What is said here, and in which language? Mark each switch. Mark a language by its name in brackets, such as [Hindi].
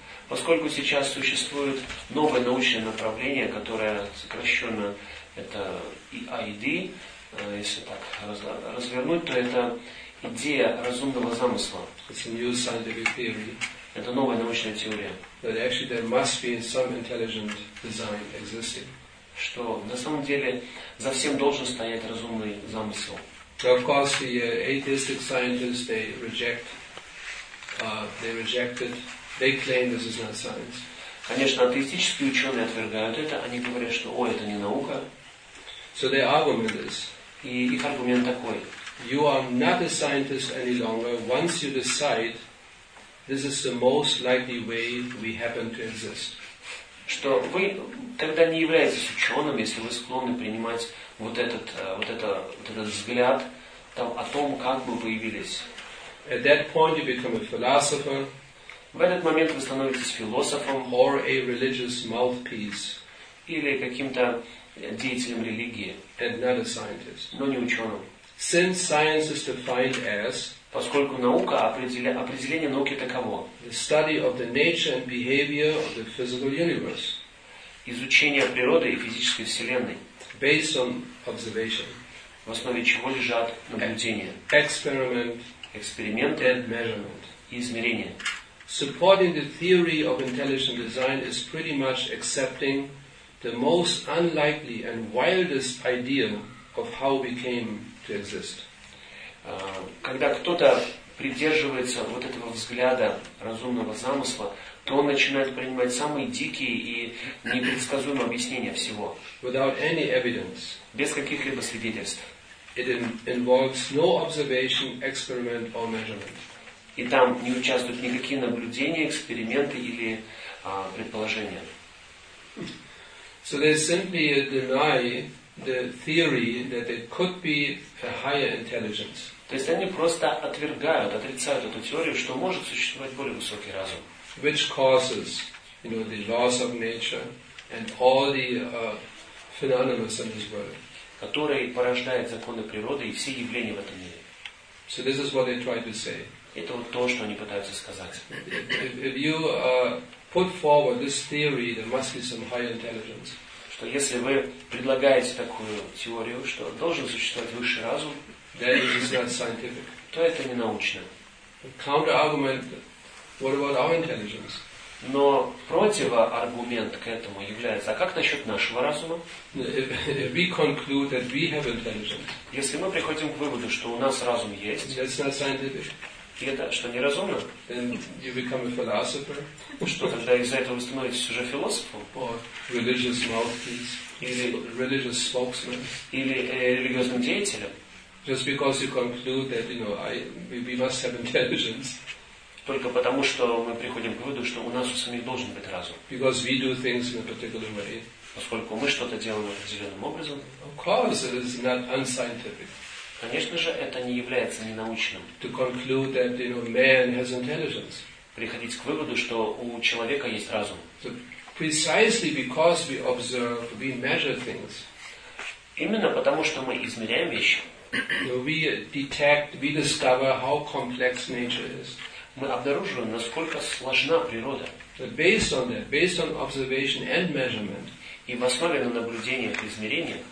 [Russian] Поскольку сейчас существует новое научное направление, которое сокращенно это EID, если так развернуть, то это идея разумного замысла. [English] It's a new scientific theory. [Russian] Это новая научная теория. [English] That actually there must be some intelligent design existing. [Russian] Что на самом деле за всем должен стоять разумный замысел. [English] Of course, the atheistic scientists, they reject they reject it. They claim this is not science. [Russian] Конечно, атеистические ученые отвергают это. Они говорят, что, ой, это не наука. [English] So their argument is. [Russian] И их аргумент такой. [English] You are not a scientist any longer. Once you decide, this is the most likely way we happen to exist. [Russian] Что вы тогда не являетесь ученым, если вы склонны принимать вот этот взгляд там, о том, как бы появились. [English] At that point you become a philosopher. [Russian] В этот момент вы становитесь философом. [English] Or a religious mouthpiece. [Russian] Или каким-то деятелем религии. [English] And not a scientist. [Russian] Но не ученым. [English] Since science is defined as, [Russian] поскольку наука, определение науки таково. [English] The study of the nature and behavior of the physical universe. [Russian] Изучение природы и физической вселенной. [English] Based on observation. [Russian] В основе чего лежат наблюдения. [English] Experiment. [Russian] Эксперименты. [English] And measurement. [Russian] И измерения. [English] Supporting the theory of intelligent design is pretty much accepting the most unlikely and wildest idea of how we came to exist. [Russian] Когда кто-то придерживается вот этого взгляда разумного замысла, то он начинает принимать самые дикие и непредсказуемые объяснения всего. [English] Without any evidence. [Russian] Без каких-либо свидетельств. [English] It involves no observation, experiment or measurement. [Russian] И там не участвуют никакие наблюдения, эксперименты или предположения. [English] So they simply deny the theory that there could be a higher intelligence. [Russian] То есть они просто отрицают эту теорию, что может существовать более высокий разум. [English] Which causes, you know, the laws of nature and all the phenomena in this world. [Russian] Который порождает законы природы и все явления в этом мире. [English] So this is what they try to say. [Russian] Это вот то, что они пытаются сказать. [English] If you put forward this theory, there must be some higher intelligence. [Russian] Что если вы предлагаете такую теорию, что должен существовать высший разум, [English] then it is not scientific. [Russian] То это не научно. [English] Counter-argument, what about our intelligence? [Russian] Но противоаргумент к этому является, а как насчет нашего разума? [English] If we conclude that we have intelligence. [Russian] Если мы приходим к выводу, что у нас разум есть, [English] that's not scientific. [Russian] И это что, неразумно? [English] Then you become a philosopher. [Russian] Что, тогда из-за этого вы становитесь уже философом? [English] Or religious mouthpiece. [Russian] Или [English] religious spokesman. [Russian] Или религиозным деятелем. [English] Just because you conclude that, you know, we must have intelligence. [Russian] Только потому, что мы приходим к выводу, что у нас у самих должен быть разум. [English] Because we do things in a particular way. [Russian] Поскольку мы что-то делаем определенным образом. [English] Of course, it is not unscientific. [Russian] Конечно же, это не является ненаучным. [English] To conclude that, you know, man has intelligence. [Russian] Приходить к выводу, что у человека есть разум. [English] So precisely because we observe, we measure things. [Russian] Именно потому, что мы измеряем вещи. [English] So we detect, we discover how complex nature is. [Russian] Мы обнаруживаем, насколько сложна природа. [English] So based on that, based on observation and measurement. [Russian] И в основе на наблюдениях и измерениях.